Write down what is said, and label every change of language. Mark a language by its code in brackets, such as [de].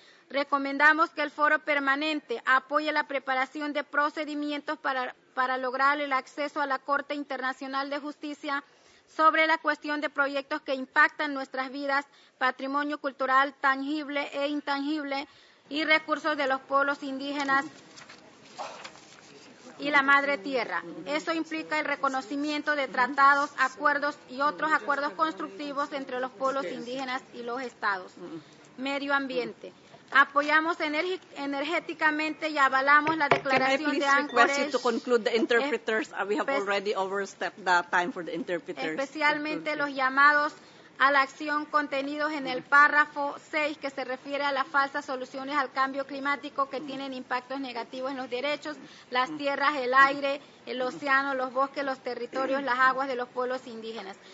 [es] Recomendamos que el foro permanente apoye la preparación de procedimientos para lograr el acceso a la Corte Internacional de Justicia sobre la cuestión de proyectos que impactan nuestras vidas, patrimonio cultural tangible e intangible y recursos de los pueblos indígenas y la madre tierra. Eso implica el reconocimiento de tratados, acuerdos y otros acuerdos constructivos entre los pueblos indígenas y los estados. Medio ambiente. Apoyamos energéticamente y avalamos la declaración de Anchorage. [en] Can I please request you to conclude the interpreters? We have already overstepped the time for the interpreters. [es] Especialmente los llamados a la acción contenidos en el párrafo 6 que se refiere a las falsas soluciones al cambio climático que tienen impactos negativos en los derechos, las tierras, el aire, el océano, los bosques, los territorios, las aguas de los pueblos indígenas.